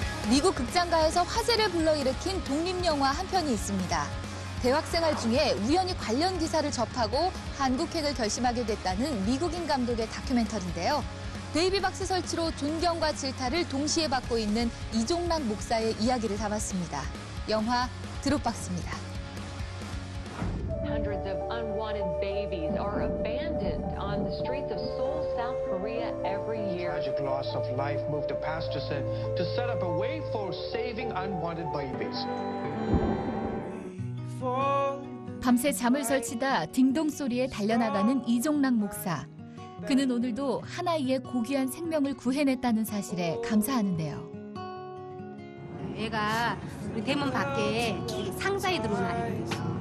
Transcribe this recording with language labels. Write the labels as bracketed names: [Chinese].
[Korean] 미국 극장가에서 화제를 불러일으킨 독립영화 한 편이 있습니다. 대학생활 중에 우연히 관련 기사를 접하고 한국행을 결심하게 됐다는 미국인 감독의 다큐멘터리인데요. 베이비 박스 설치로 존경과 질타를 동시에 받고 있는 이종락 목사의 이야기를 담았습니다. 영화 드롭박스입니다. [English] Hundreds of unwanted babies are abandoned on the streets of Seoul, South Korea every year. The tragic loss of life moved a pastor said to set up a way for saving unwanted babies. [Korean] 밤새 잠을 설치다 딩동 소리에 달려나가는 이종락 목사. 그는 오늘도 한 아이의 고귀한 생명을 구해냈다는 사실에 감사하는데요. 애가 대문 밖에 상자에 들어온 아이였어.